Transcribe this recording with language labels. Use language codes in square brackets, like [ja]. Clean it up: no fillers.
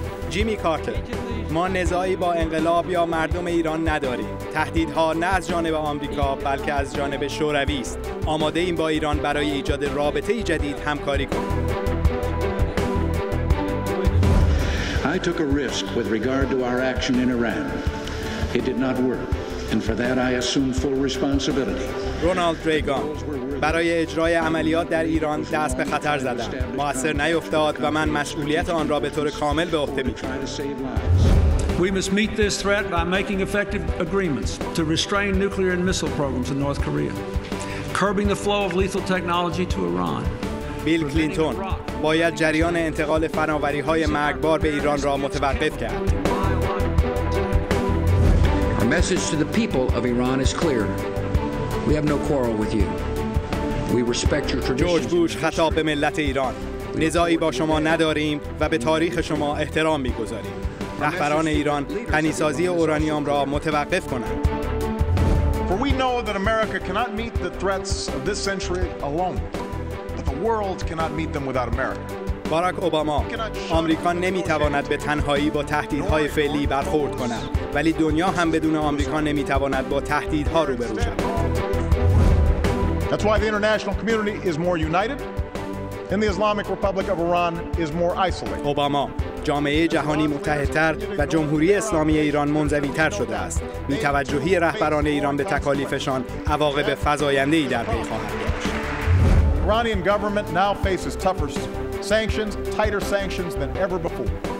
[fa] جیمی کارتر: ما نزاعی با انقلاب یا مردم ایران نداریم. تهدیدها نه از جانب آمریکا بلکه از جانب شوروی است. آماده ایم با ایران برای ایجاد رابطه جدید همکاری کنیم. [en] I took a risk with regard to our action in Iran. It did not work, and for that I assume full responsibility. [fa] رونالد ریگان برای اجرای عملیات در ایران دست به خطر زدم. مؤثر نیفتاد و من مسئولیت آن را به طور کامل به عهده می‌گیرم. [en] We must meet this threat by making effective agreements to restrain nuclear and missile programs in North Korea, curbing the flow of lethal technology to Iran. [fa] بیل کلینتون باید جریان انتقال فناوری‌های مرگبار به ایران را متوقف کرد. [en] Our message to the people of Iran is clear. We have no quarrel with you. We respect your traditions. [fa] جورج بوش خطاب به ملت ایران: نزاعی با شما نداریم و به تاریخ شما احترام می‌گذاریم. رهبران ایران غنی‌سازی اورانیوم را متوقف کنند. [en] For we know that America cannot meet the threats of this century alone. World cannot meet them without America. [fa] باراک اوباما: آمریکا نمیتواند به تنهایی با تهدیدهای فعلی برخورد کند، ولی دنیا هم بدون آمریکا نمیتواند با تهدیدها روبرو شود. [en] That's why the international community is more united and the Islamic Republic of Iran is more isolated. [fa] اوباما: جامعه جهانی متحدتر و جمهوری اسلامی ایران منزوی‌تر شده است. بی‌توجهی رهبران ایران به تکالیفشان عواقب فزاینده‌ای در پی خواهد داشت. [en] Iranian government now faces tougher sanctions, tighter sanctions than ever before.